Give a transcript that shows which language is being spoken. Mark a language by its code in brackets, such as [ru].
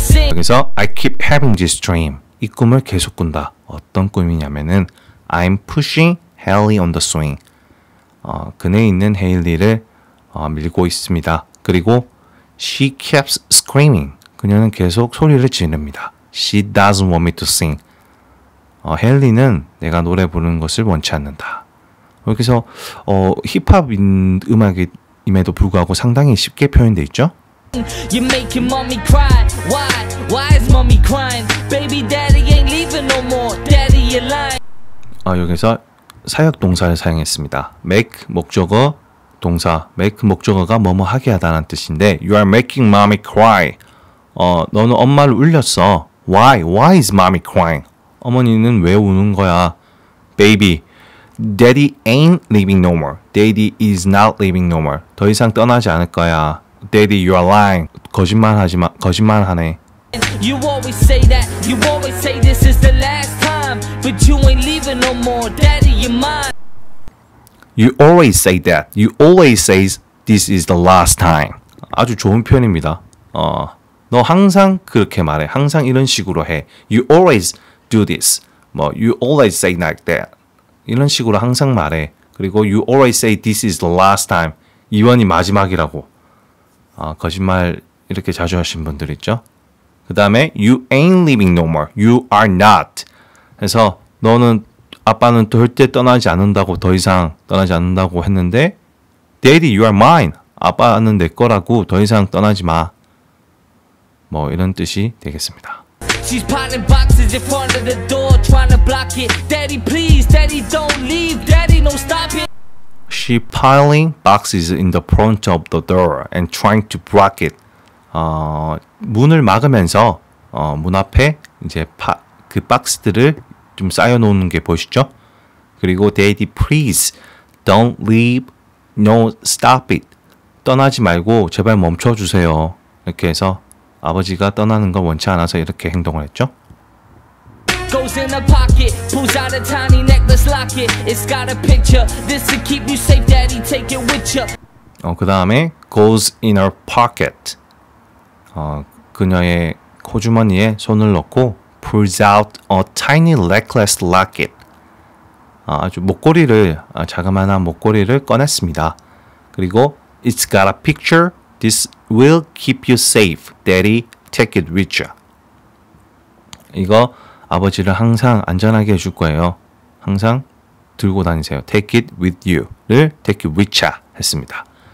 [ko] 여기서 [en] I keep having this dream. [ko] 이 꿈을 계속 꾼다. 어떤 꿈이냐면은 [en] I'm pushing Hailey on the swing. [ko] 그네 있는 헤일리를 밀고 있습니다. 그리고 [en] she keeps screaming. [ko] 그녀는 계속 소리를 지릅니다. [en] She doesn't want me to sing. [ko] 헤일리는 내가 노래 부르는 것을 원치 않는다. 여기서 힙합 음악이 임에도 불구하고 상당히 쉽게 표현되어 있죠. [en] You're making mommy cry. Why? Why is mommy crying? Baby daddy ain't leaving no more. Daddy you lying. [ko] 여기서 사역 동사를 사용했습니다. make 목적어 동사. make 목적어가 뭐뭐 하게 하다는 뜻인데 [en] you are making mommy cry. [ko] 너는 엄마를 울렸어. [en] Why? Why is mommy crying? [ko] 어머니는 왜 우는 거야? [en] baby Daddy ain't leaving no more. Daddy is not leaving no more. [ko] 더 이상 떠나지 않을 거야. [en] Daddy, you are lying. [ko] 거짓말하네. [en] You always say that. You always say this is the last time. But you ain't leaving no more. Daddy, you're mine. You always say that. You always say this is the last time. [ko] 아주 좋은 표현입니다. 너 항상 그렇게 말해. 항상 이런 식으로 해. [en] You always do this. 뭐, you always say like that. [ko] 이런 식으로 항상 말해. 그리고 [en] you always say this is the last time. [ko] 이번이 마지막이라고. 거짓말 이렇게 자주 하신 분들 있죠. 그 다음에 [en] you ain't leaving no more. You are not. [ko] 그래서 너는 아빠는 절대 떠나지 않는다고 더 이상 떠나지 않는다고 했는데 [en] daddy you are mine. [ko] 아빠는 내 거라고 더 이상 떠나지 마. 뭐 이런 뜻이 되겠습니다. [en] She's piling boxes in front of the door trying to block it. Daddy please, daddy don't leave. Daddy no stop it. She piling boxes in the front of the door and trying to block it. [ko] 문을 막으면서 문 앞에 이제 그 박스들을 좀 쌓여 놓는 게 보이시죠? 그리고 [en] daddy please don't leave. No stop it. [ko] 떠나지 말고 제발 멈춰 주세요. 이렇게 해서 아버지가 떠나는 걸 원치 않아서 이렇게 행동을 했죠. [en] Goes in a pocket, pulls out a tiny necklace locket. It's got a picture. This to keep you safe, daddy, take it with you. [ko] 그다음에 [en] goes in her pocket. [ko] 그녀의 코주머니에 손을 넣고 [en] pulls out a tiny necklace locket. [ko] 아주 목걸이를 자그마한 목걸이를 꺼냈습니다. 그리고 [en] it's got a picture. This will keep you safe, daddy. Take it with you. [ko] 이거 아버지를 항상 안전하게 해줄 거예요. 항상 들고 다니세요. [en] Take it with you를 take it with ya [ko] 했습니다.